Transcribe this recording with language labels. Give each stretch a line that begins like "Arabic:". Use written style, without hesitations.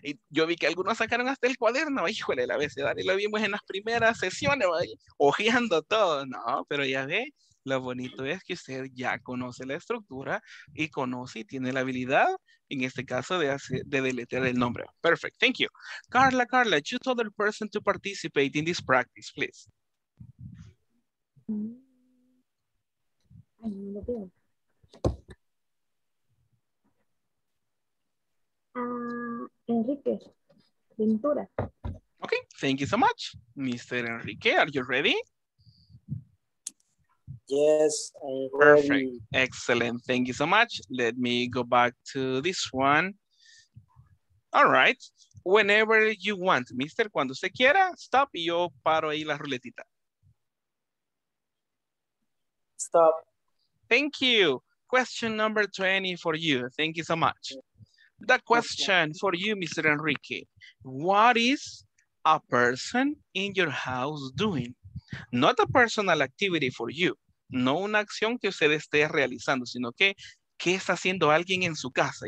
Spanish: Yo vi que algunos sacaron hasta el cuaderno. Híjole, la abecedario. Lo vimos en las primeras sesiones, ojeando todo. No, pero ya ve. Lo bonito es que usted ya conoce la estructura y conoce y tiene la habilidad, en este caso, de deletrear el nombre.
English: Perfect, thank you. Carla, choose other person to participate in this practice, please. I Enrique Ventura. Okay, thank you so much. Mr. Enrique, are you ready? Yes, I'm perfect. Ready. Excellent. Thank you so much. Let me go back to this one. All right. Whenever you want, Mister,
Spanish: cuando usted quiera, stop y yo paro ahí la ruletita.
English: Stop. Thank you. Question number 20 for you. Thank you so much. The question for you, Mr. Enrique. What is a person in your house doing? Not a personal activity for you.
Spanish: No una acción que usted esté realizando, sino que ¿qué está haciendo alguien en su casa?